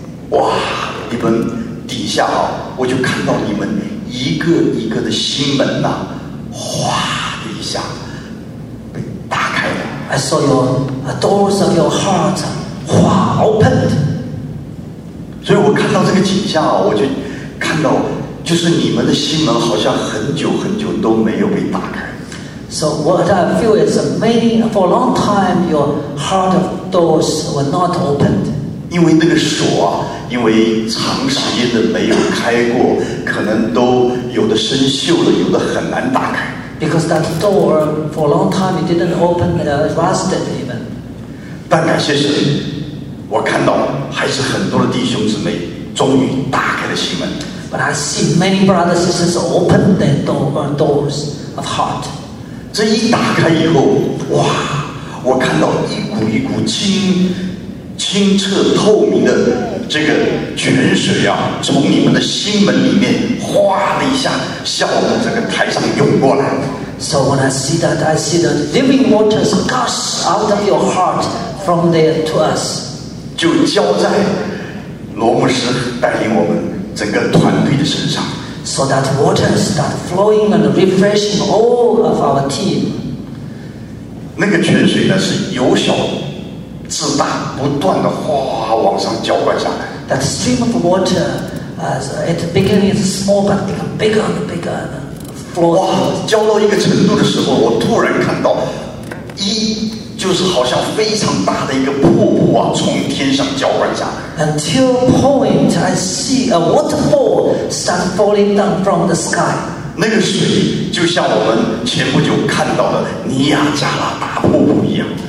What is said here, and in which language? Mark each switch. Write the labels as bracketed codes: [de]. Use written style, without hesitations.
[zh] 哇，你们底下啊，我就看到你们一个一个的心门呐、啊，哗的一下被打开了。 [en] I saw your doors of your heart, 哗 opened. [zh] 所以我看到这个景象啊，我就看到就是你们的心门好像很久很久都没有被打开。 [en] So what I feel is maybe for a long time your heart of doors were not opened. [zh] 因为那个锁啊，因为长时间的没有开过，可能都有的生锈了，有的很难打开。 [en] Because that door for a long time it didn't open, it rusted even. [zh] 但感谢神，我看到还是很多的弟兄姊妹终于打开了心门。 [en] But I see many brothers and sisters open their doors of heart. [zh] 这一打开以后，哇，我看到一股一股清澈透明的这个泉水啊，从你们的心门里面哗的一下向我们这个台上涌过来。 [en] So when I see that, I see the living waters gush out of your heart from there to us. [zh] 就浇在罗牧师带领我们整个团队的身上。 [en] So that water start flowing and refreshing all of our team. [zh] 那个泉水呢，是由小至大，不断的哗往上浇灌下来。 [en] That stream of water, it began is small but become bigger and bigger. Flow. [zh] 哇，浇到一个程度的时候，我突然看到，一就是好像非常大的一个瀑布啊，从天上浇灌下来。 [en] Until point, I see a waterfall start falling down from the sky. [zh] 那个水就像我们前不久看到的尼亚加拉大瀑布一样。